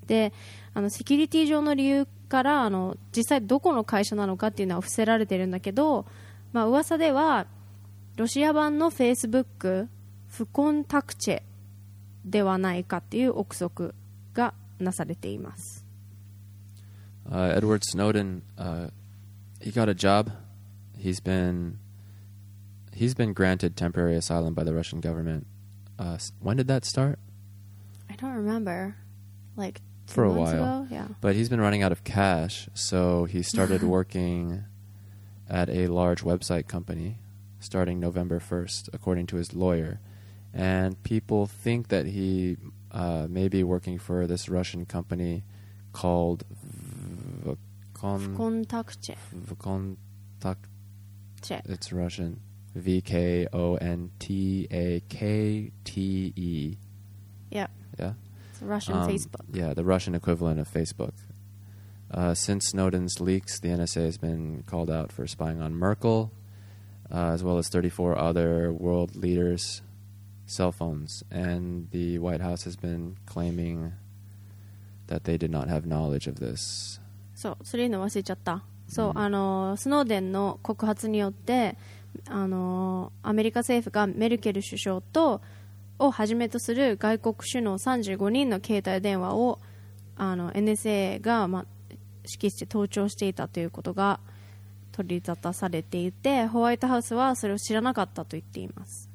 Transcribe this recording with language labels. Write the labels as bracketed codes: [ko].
[ja] で、あのセキュリティ上の理由からあの実際どこの会社なのかっていうのは伏せられてるんだけど、まあ、噂ではロシア版の Facebook フコンタクチェではないかっていう憶測がなされています。 [en] Edward Snowden、he got a job. He's been granted temporary asylum by the Russian government. When did that start? I don't remember. Like For a while, yeah. But he's been running out of cash, so he started working at a large website company starting November 1st, according to his lawyer. And people think that he may be working for this Russian company called Vkontakte. Vkontakte. It's Russian. Vkontakte. Yep. Yeah. Russian Facebook. Yeah, the Russian equivalent of Facebook. Since Snowden's leaks, the NSA has been called out for spying on Merkel, as well as 34 other world leaders' cell phones. And the White House has been claiming that they did not have knowledge of this. [ja] So, それの忘れちゃった。So, あの、スノーデンの告発によって、あの、アメリカ政府がメルケル首相とをはじめとする外国首脳35人の携帯電話をあの NSA が、ま、指揮して盗聴していたということが取り沙汰されていて、ホワイトハウスはそれを知らなかったと言っています。